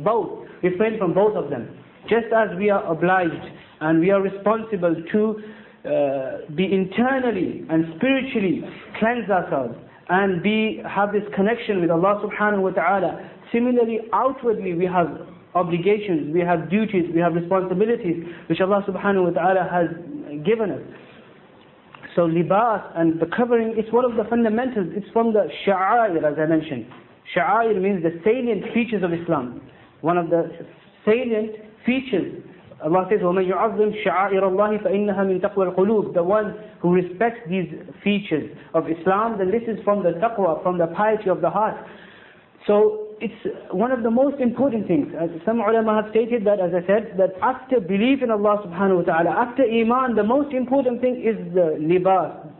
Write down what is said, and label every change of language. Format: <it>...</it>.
<en>Both, refrain from both of them. Just as we are obliged and we are responsible to be internally and spiritually cleanse ourselves and be have this connection with Allah subhanahu wa ta'ala, similarly outwardly we have obligations, we have duties, we have responsibilities which Allah subhanahu wa ta'ala has given us. So libas and the covering is one of the fundamentals. It's from the sha'air, as I mentioned. Sha'air means the salient features of Islam. One of the salient features. Allah says,</en> <ar>وَمَنْ يُعَظِّمْ شَعَائِرَ اللَّهِ فَإِنَّهَا مِنْ تَقْوَى الْقُلُوبِ.</ar> <en>The one who respects these features of Islam, then this is from the taqwa, from the piety of the heart. So it's one of the most important things. As some ulama have stated that, as I said, that after belief in Allah subhanahu wa ta'ala, after iman, the most important thing is the libas,</en>